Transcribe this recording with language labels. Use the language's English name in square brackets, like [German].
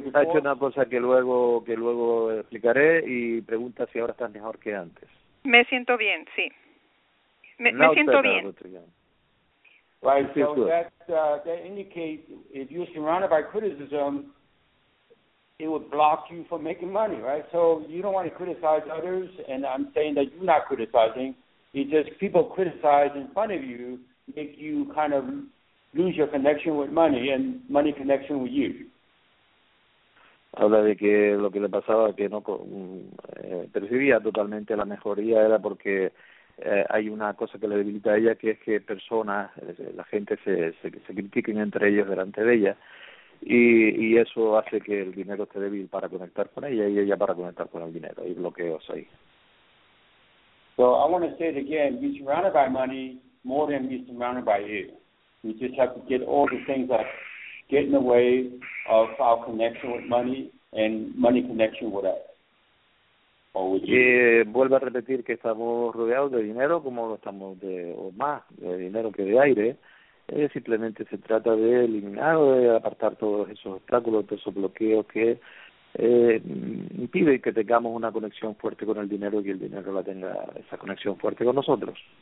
[Spanish] Ha hecho una cosa que luego explicaré, y pregunta si ahora estás mejor que antes. Me siento bien, sí. Me siento bien. [English] Right, so that indicates if you're surrounded by criticism, it would block you from making money, right? So you don't want to criticize others, and I'm saying that you're not criticizing. It's just people criticize in front of you make you kind of lose your connection with money and money connection with you. [Spanish] Habla de que lo que le pasaba, que no percibía totalmente la mejoría, era porque hay una cosa que le debilita a ella, que es que personas, la gente se critiquen entre ellos delante de ella, y eso hace que el dinero esté débil para conectar con ella y ella para conectar con el dinero, y bloqueos ahí. [English] So I want to say it again, be surrounded by money more than be surrounded by you. We just have to get all the things that get in the way of our connection with money and money connection with us. [Spanish] Vuelvo a repetir que estamos rodeados de dinero, como lo estamos de, o más de dinero que de aire. Simplemente se trata de eliminar o de apartar todos esos obstáculos, todos esos bloqueos que impiden que tengamos una conexión fuerte con el dinero, y el dinero la tenga esa conexión fuerte con nosotros.